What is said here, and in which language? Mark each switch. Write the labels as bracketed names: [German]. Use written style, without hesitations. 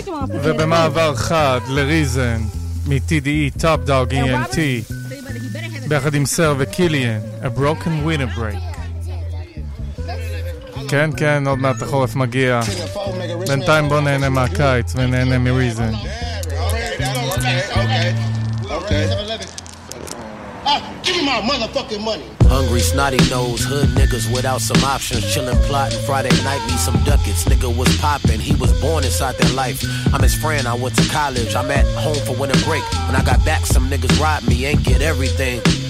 [Hebrew] ובמעבר חד לריזן מ-TDE, Top Dog EMT, ביחד עם סר וקיליאן, A Broken Winter Break. כן, כן, עוד מעט החורף מגיע. בינתיים בוא נהנה מהקיץ ונהנה מ-Reason. [English] Hungry, snotty nose, hood niggas without some options. Chillin', plotting Friday night, need some ducats. Nigga was poppin', he was born inside that life. I'm his friend, I went to college. I'm at home for winter break. When I got back, some niggas robbed me, ain't get everything.